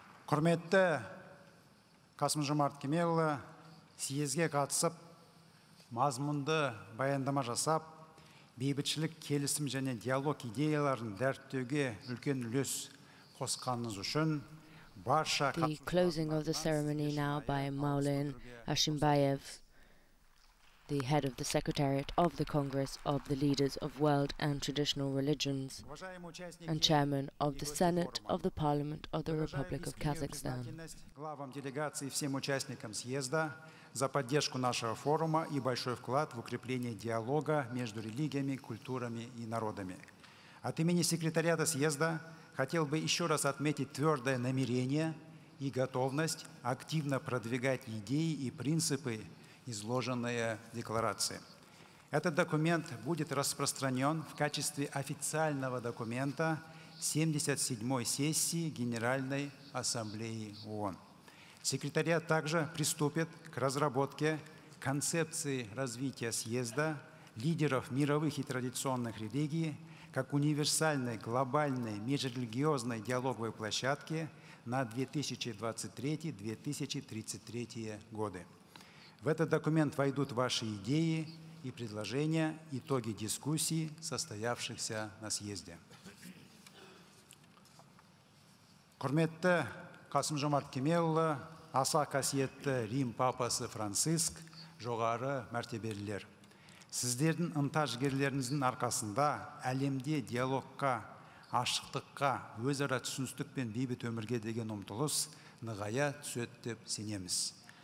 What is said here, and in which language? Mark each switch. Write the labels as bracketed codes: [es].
[kk] Құрметті Қасым-Жомарт Кемелұлы, съезге қатысып, мазмұнды баяндама жасап, бейбітшілік, келісім және диалог идеяларын дәріптеуге үлкен үлес қосқаныңыз үшін барша [en] The closing of the ceremony now by Maulin Ashimbayev, the head of the Secretariat of the Congress of the Leaders of World and Traditional Religions and chairman of the Senate of the Parliament of the Republic of Kazakhstan. [ru] Главам делегации и всем участникам съезда за поддержку нашего форума и большой вклад в укрепление диалога между религиями, культурами и народами. От имени секретариата съезда хотел бы еще раз отметить твердое намерение и готовность активно продвигать идеи и принципы изложенные декларации. Этот документ будет распространен в качестве официального документа 77-й сессии Генеральной Ассамблеи ООН. Секретариат также приступит к разработке концепции развития съезда лидеров мировых и традиционных религий как универсальной глобальной межрелигиозной диалоговой площадки на 2023-2033 годы. В этот документ войдут ваши идеи и предложения, итоги дискуссий, состоявшихся на съезде. [kk] Құрметті Қасым-Жомарт Кемелұлы, аса қасиетті Рим Папасы Франциск, жоғары мәртебелілер. Сіздердің ынта-жігерлеріңіздің арқасында әлемде диалогқа, ашықтыққа, өзара түсіністік пен бейбіт өмірге деген ұмтылыс нығая түседі деп сенеміз.